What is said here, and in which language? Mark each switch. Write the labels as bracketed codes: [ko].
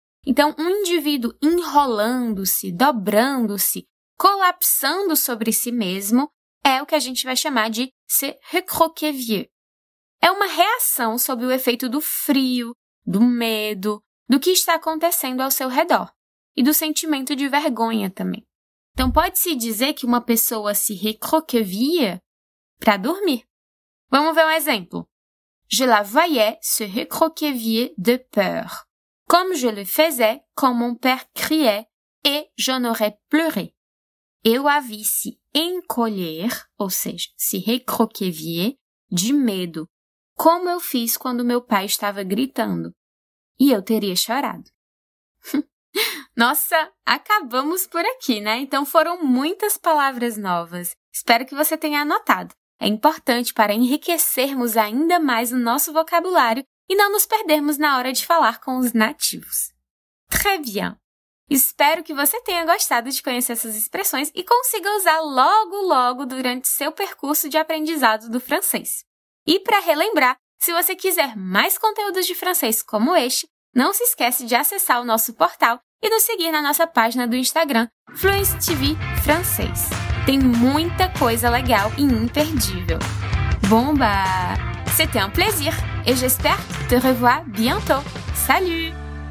[pt] Então, um indivíduo enrolando-se, dobrando-se, colapsando sobre si mesmo é o que a gente vai chamar de se recroquevier. É uma reação sob o efeito do frio, do medo, do que está acontecendo ao seu redor e do sentimento de vergonha também. Então, pode-se dizer que uma pessoa se recroquevia para dormir. Vamos ver um exemplo. [fr] Je la voyais se recroquevier de peur. Comme je le faisais quand mon père criait et j'en aurais pleuré. [pt] Eu a vi se encolher, ou seja, se recroquevier, de medo, como eu fiz quando meu pai estava gritando. E eu teria chorado. Nossa, acabamos por aqui, né? Então foram muitas palavras novas. Espero que você tenha anotado. É importante para enriquecermos ainda mais o nosso vocabulário e não nos perdermos na hora de falar com os nativos. [fr] Très bien! [pt] Espero que você tenha gostado de conhecer essas expressões e consiga usar logo, logo durante seu percurso de aprendizado do francês. E para relembrar, se você quiser mais conteúdos de francês como este, não se esquece de acessar o nosso portal e nos seguir na nossa página do Instagram, Fluence TV Francês. Tem muita coisa legal e imperdível. [fr] Bomba! C'était un plaisir et j'espère te revoir bientôt. Salut!